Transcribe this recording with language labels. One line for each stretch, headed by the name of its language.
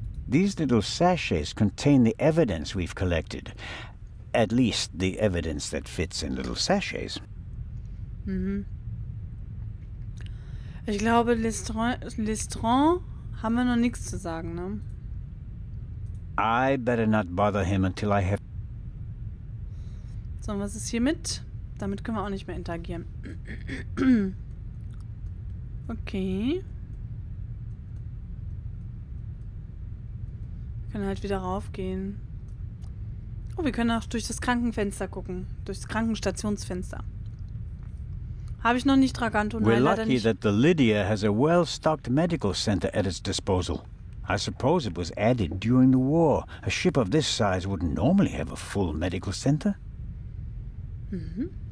English: These little sachets contain the evidence we've collected. At least the evidence that fits in little sachets. Mhm.
German: Ich glaube, Lestrange haben wir noch nichts zu sagen, ne?
English: I better not bother him until I have.
German: So, und was ist hiermit? Damit können wir auch nicht mehr interagieren. Okay. Wir können halt wieder raufgehen. Oh, wir können auch durch das Krankenfenster gucken. Durchs Krankenstationsfenster. Habe ich noch nicht Draganto, nein, leider nicht.
English: We're lucky that the Lydia has a well-stocked medical center at its disposal. I suppose it was added during the war. A ship of this size wouldn't normally have a full medical center. Mhm.